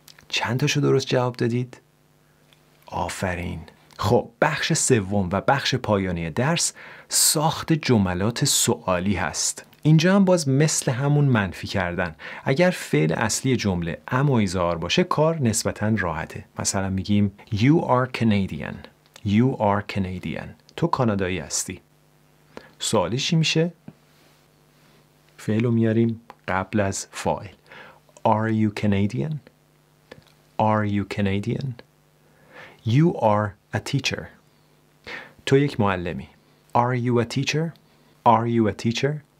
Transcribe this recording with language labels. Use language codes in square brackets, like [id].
[fa] چند تاشو درست جواب دادید؟ آفرین. خب بخش سوم و بخش پایانی درس ساخت جملات سوالی هست. اینجا هم باز مثل همون منفی کردن. اگر فعل اصلی جمله ام و ایزار باشه کار نسبتاً راحته. [en] مثلا میگیم You are Canadian. You are Canadian. [fa] تو کانادایی هستی. سوالی چی میشه؟ فعلو میاریم قبل از فاعل. [en] Are you Canadian؟ Are you Canadian? You are a teacher. [fa] تو یک معلمی. [en] Are you a teacher? Are you a teacher?